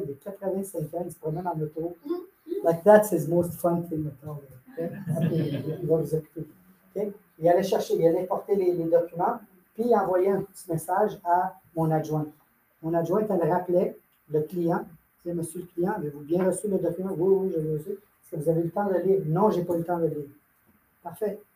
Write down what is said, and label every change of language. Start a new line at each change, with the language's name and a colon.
French: Il est 85 ans, il se promène en auto.
English: Like, that's his most fun thing.
French: Okay? Il va vous occuper. Okay? Il allait chercher, il allait porter les documents, puis il envoyait un petit message à mon adjointe. Mon adjointe, elle rappelait le client. C'est monsieur le client, avez-vous bien reçu le document? Oui, oui, j'ai reçu. Est-ce que vous avez le temps de lire? Non, je n'ai pas le temps de lire. Parfait.